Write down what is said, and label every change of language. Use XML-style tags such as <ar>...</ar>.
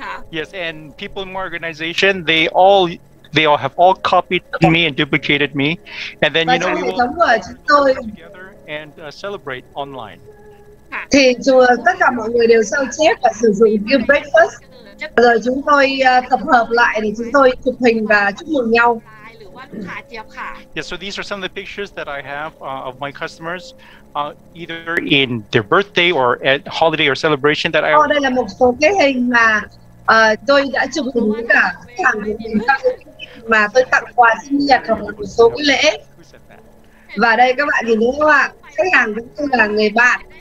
<en>Yes, and people in my organization, they all have all copied me and duplicated me, and then you know we will come together and celebrate online.</en> <vi>Thì chùa tất cả mọi người đều sao chép và sử dụng Q-Breakfast. Rồi chúng tôi tập hợp lại để chúng tôi chụp hình và chúc mừng nhau.</vi> <en>Yeah, so these are some of the pictures that I have of my customers, either in their birthday or at holiday or celebration that I.</en> <vi>Oh, đây là một số cái hình mà tôi đã chụp hình với cả khách hàng mà tôi tặng quà sinh nhật hoặc là một số cái lễ. Và đây các bạn nhìn thấy không ạ? Khách hàng cũng như là người bạn.</vi>